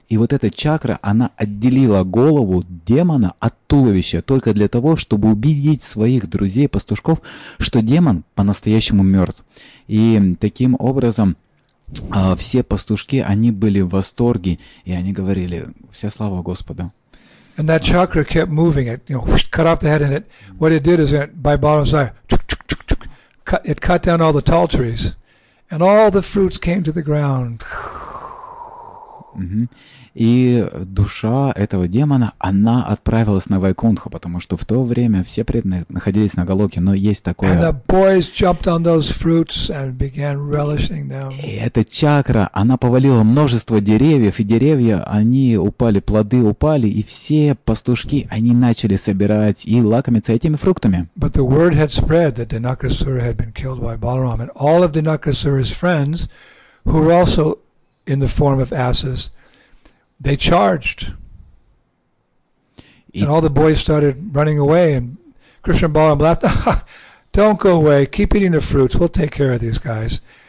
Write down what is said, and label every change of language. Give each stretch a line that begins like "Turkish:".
Russian: И вот эта чакра, она отделила голову демона от туловища только для того, чтобы убедить своих друзей, пастушков, что демон по-настоящему мертв. И таким образом все пастушки, они были в восторге, и они говорили: «Вся слава Господу».
English: And that chakra kept moving it, you know, cut off the head, and it, what it did is it, by Balaram's desire, it cut down all the tall trees, and all the fruits came to the ground. Mm-hmm.
Russian: И душа этого демона, она отправилась на Вайкунтху, потому что в то время все преданные находились на Голоке, но есть такое...
English: And the boys jumped on those fruits and began relishing them.
Russian: И эта чакра, она повалила множество деревьев, и деревья, они упали, плоды упали, и все пастушки, они начали собирать и лакомиться этими фруктами.
English: But the word had spread that Denukasura had been killed by Balaram, and all of Denukasura's friends, who were also in the form of asses, they charged. And all the boys started running away, and Krishna and Balaram laughed, "Don't go away, keep eating the fruits, we'll take care of these guys."